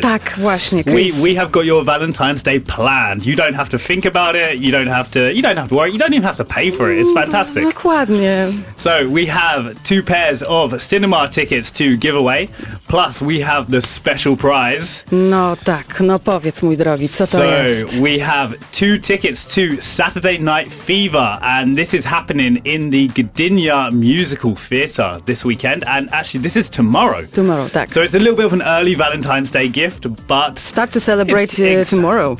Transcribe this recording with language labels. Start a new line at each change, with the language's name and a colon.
Polish: Tak, właśnie, Chris.
English: We have got your Valentine's Day planned. You don't have to think about it. You don't have to worry. You don't even have to pay for it. It's fantastic.
Polish: Dokładnie.
English: So we have two pairs of cinema tickets to give away. Plus we have the special prize.
Polish: No tak, no powiedz mój drogi, co to jest?
English: So we have two tickets to Saturday Night Fever, and this is happening in the Gdynia Musical Theatre this weekend, and actually this is tomorrow. Tomorrow, tak. So it's a little bit of an early Valentine's Day gift, but... Start to celebrate tomorrow.